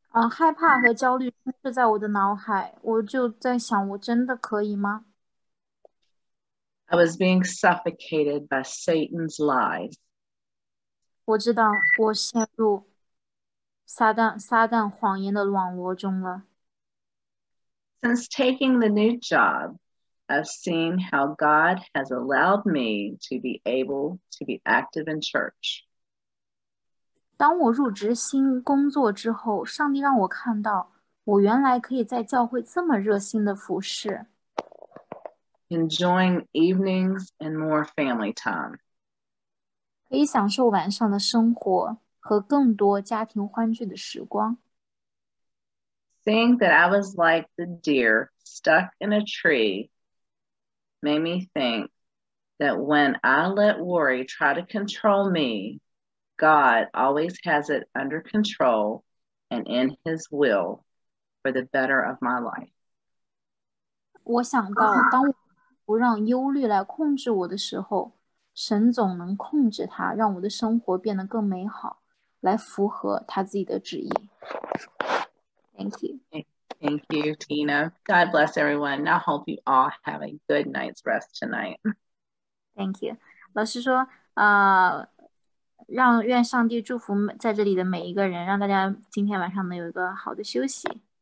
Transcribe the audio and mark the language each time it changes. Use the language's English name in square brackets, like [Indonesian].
[Chinese] 害怕和焦虑充斥在我的脑海，我就在想我真的可以吗？ [English] I was being suffocated by Satan's lies. [Chinese] 我知道我陷入撒旦谎言的网络中了。 [English] Since taking the new job, I've seen how God has allowed me to be able to be active in church. [Chinese] 当我入职新工作之后，上帝让我看到我原来可以在教会这么热心的服侍。 [English] Enjoying evenings and more family time. [Chinese] 可以享受晚上的生活和更多家庭欢聚的时光。 [English] Seeing that I was like the deer stuck in a tree made me think that when I let worry try to control me, God always has it under control and in his will for the better of my life. [Chinese] 我想到当我不让忧虑来控制我的时候，神总能控制它，让我的生活变得更美好，来符合他自己的旨意。 [English] Thank you. Thank you, Tina. God bless everyone. I hope you all have a good night's rest tonight. Thank you. [Chinese] 老师说，让愿上帝祝福在这里的每一个人，让大家今天晚上能有一个好的休息。